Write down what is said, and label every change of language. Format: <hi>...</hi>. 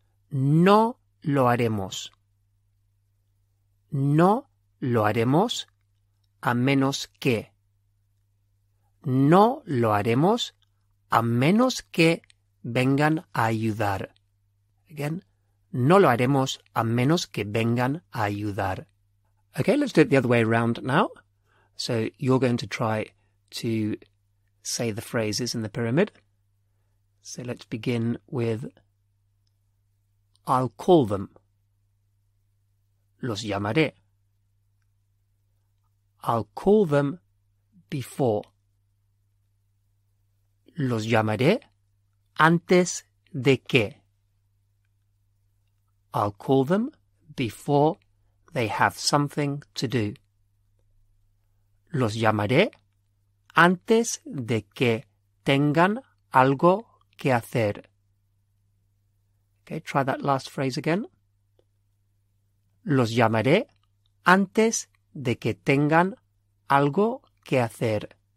<es>No lo haremos. No lo haremos a menos que. No lo haremos a menos que vengan a ayudar. Again, no lo haremos a menos que vengan a ayudar.</es> <en>Okay, let's do it the other way around now. So you're going to try to say the phrases in the pyramid. So let's begin with, I'll call them.</en> <es>Los llamaré.</es> <en>I'll call them before.</en> <es>Los llamaré antes de que.</es> <en>I'll call them before they have something to do.</en> <es>Los llamaré antes de que tengan algo que hacer.</es> <en>Okay, try that last phrase again.</en> <es>Los llamaré antes de que tengan algo que hacer.</es>